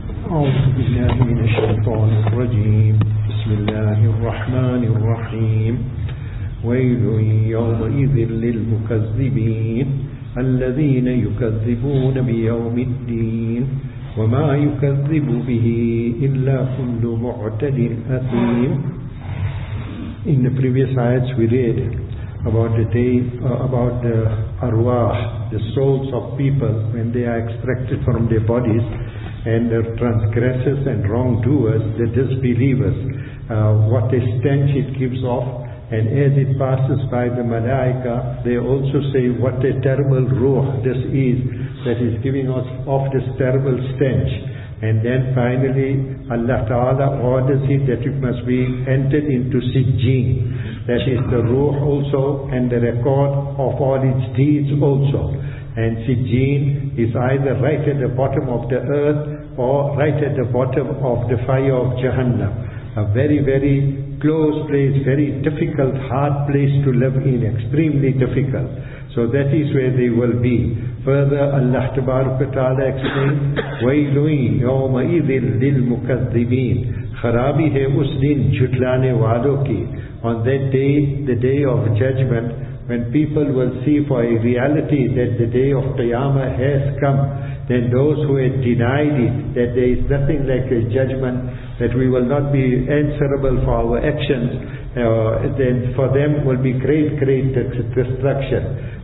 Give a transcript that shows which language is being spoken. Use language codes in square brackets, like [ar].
[ar] أعوذ بالله من الشيطان الرجيم. بسم الله الرحمن الرحيم. ويل يومئذ للمكذبين الذين يكذبون بيوم الدين وما يكذب به إلا كل معتد أثيم. [en] In the previous ayats we read about the arwah, the souls of people when they are extracted from their bodies, and the transgressors and wrongdoers, the disbelievers, what a stench it gives off, and as it passes by the malaika, they also say, what a terrible ruh this is that is giving us off this terrible stench. And then finally Allah Ta'ala orders it that it must be entered into Sijjin, that is the ruh also and the record of all its deeds also. And Sijjin is either right at the bottom of the earth or right at the bottom of the fire of Jahannam, a very, very close place, very difficult, hard place to live in, extremely difficult. So that is where they will be. Further, Allah Ta'ala explains, [ar] وَيْلُوِنْ يَوْمَ إِذِلْ لِلْمُكَذِّبِينَ خَرَابِ هَيْ اُسْ دِنْ جُتْلَانِ وَعَدُوكِ. [en] On that day, the day of judgment, when people will see for a reality that the day of Qiyamah has come, then those who had denied it, that there is nothing like a judgment, that we will not be answerable for our actions, then for them will be great destruction.